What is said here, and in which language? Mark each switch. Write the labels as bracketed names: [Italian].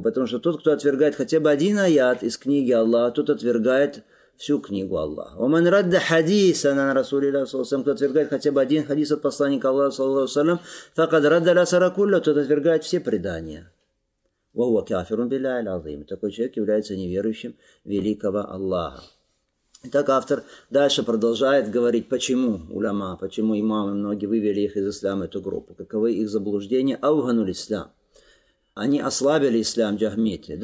[Russian] Потому что тот, кто отвергает хотя бы один аят из книги Аллаха, тот отвергает всю книгу Аллаха. [Arabic] ومن رد حديثا عن رسول الله صلى الله عليه وسلم, [Russian] кто отвергает хотя бы один хадис от посланника Аллаха [Arabic] صلى الله عليه وسلم, فقد رد الأثر كله, [Russian] тот отвергает все предания. [Arabic] وهو كافر بالله العظيم. [Russian] Такой человек является неверующим великого Аллаха. Итак, автор дальше продолжает говорить, почему уляма, почему имамы многие вывели их из ислама, эту группу. Каковы их заблуждения? Ауганули ислам. Они ослабили ислам, джахмити.